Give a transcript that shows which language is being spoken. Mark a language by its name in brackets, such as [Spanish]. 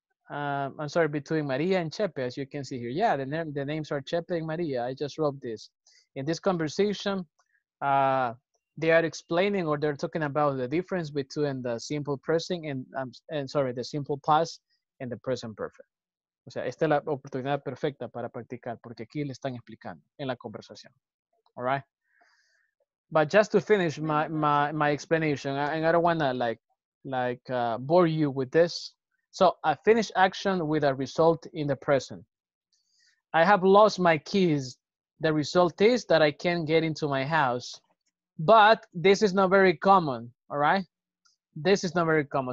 [English] I'm sorry, between Maria and Chepe, as you can see here. Yeah, the names are Chepe and Maria. I just wrote this. In this conversation, they are explaining, or they're talking about the difference between the simple present and the simple past and the present perfect. [Spanish] O sea, esta es la oportunidad perfecta para practicar, porque aquí le están explicando en la conversación. [English] All right? But just to finish my explanation, and I don't want to bore you with this. So a finished action with a result in the present. I have lost my keys. The result is that I can't get into my house, but this is not very common, all right? This is not very common.